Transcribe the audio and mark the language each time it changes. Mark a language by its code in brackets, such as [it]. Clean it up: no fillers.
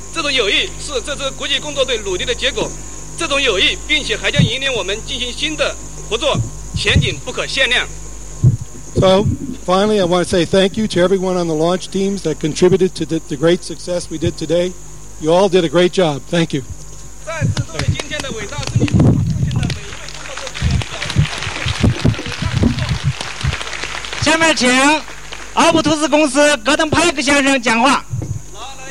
[zh] 这里我还要强调一点，今天发射的成功也是人类理解与友谊的结果。这种友谊是这支国际工作队努力的结果。这种友谊，并且还将引领我们进行新的合作，前景不可限量。 [en] So, finally, I want to say thank you to everyone on the launch teams that contributed to the great success we did today. You all did a great job. Thank you. [zh] 再次对今天的伟大胜利贡献了每一位工作人员的伟大工作。下面请奥普图斯公司戈登派克先生讲话。 [en] Now,